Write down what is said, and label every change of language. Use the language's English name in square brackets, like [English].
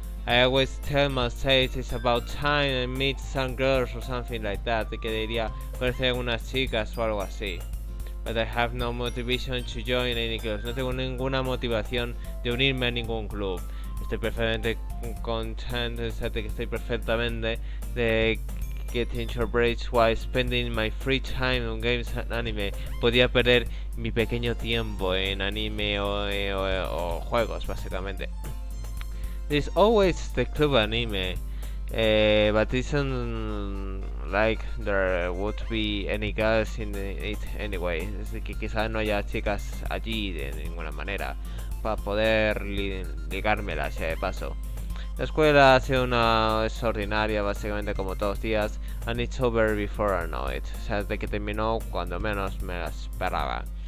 [English] I always tell myself it's about time I meet some girls or something like that. [Spanish] Que diría conocer algunas chicas o algo así. [English] But I have no motivation to join any clubs. [Spanish] No tengo ninguna motivación de unirme a ningún club. Estoy perfectamente contento, o sea, que estoy perfectamente de [English] getting short breaks while spending my free time on games and anime. [Spanish] Podía perder mi pequeño tiempo en anime o juegos, básicamente. [English] There's always the club anime, but isn't like there would be any girls in it anyway. [Spanish] Es decir, que quizás no haya chicas allí de ninguna manera para poder ligármelas ya de paso. La escuela ha sido una extraordinaria, básicamente como todos los días, [English] and it's over before I know it. [Spanish] O sea, de que terminó cuando menos me la esperaba.